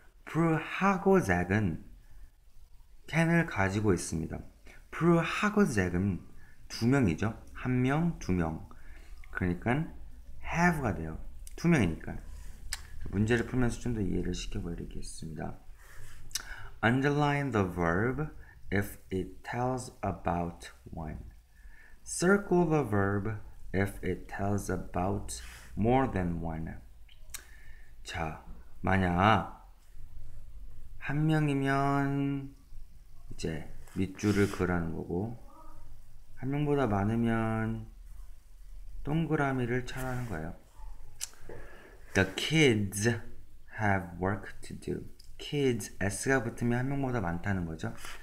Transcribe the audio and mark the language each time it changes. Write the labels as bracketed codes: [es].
[ko] Prue하고 Zach은 can을 가지고 있습니다. Prue하고 Zach은 두 명이죠. 한 명, 두 명. 그러니까 have가 돼요. 두 명이니까. 문제를 풀면서 좀 더 이해를 시켜보겠습니다. [en] Underline the verb if it tells about one. Circle the verb if it tells about more than one. [ko] 자, 만약 한 명이면 이제 밑줄을 그라는 거고, 한 명보다 많으면 동그라미를 쳐라는 거예요. [en] The kids have work to do. Kids, [ko] S가 붙으면 한 명보다 많다는 거죠.